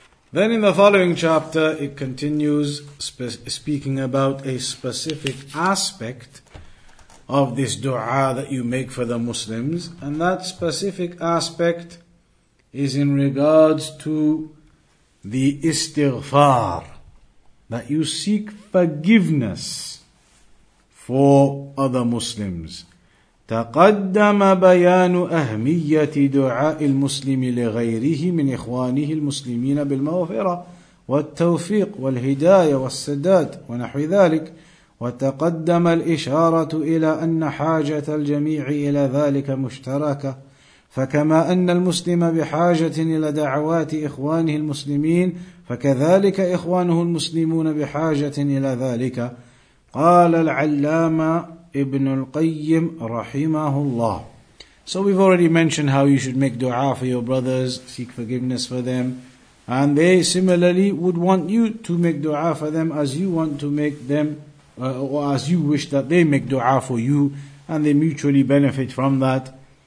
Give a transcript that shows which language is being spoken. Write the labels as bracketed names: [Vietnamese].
[English] Then in the following chapter, it continues speaking about a specific aspect of this dua that you make for the Muslims, and that specific aspect is in regards to the istighfar, that you seek forgiveness for other Muslims. [Arabic] تقدم بيان أهمية دعاء المسلم لغيره من إخوانه المسلمين بالمغفرة والتوفيق والهداية والسداد ونحو ذلك. وتقدم الإشارة إلى أن حاجة الجميع إلى ذلك مشتركة. فكما أن المسلم بحاجة إلى دعوات إخوانه المسلمين فكذلك إخوانه المسلمون بحاجة إلى ذلك. قال العلامة ابن القيم رحمه الله. [English] So we've already mentioned how you should make dua for your brothers, seek forgiveness for them, and they similarly would want you to make dua for them as you want to make them, or as you wish that they make dua for you, and they mutually benefit from that.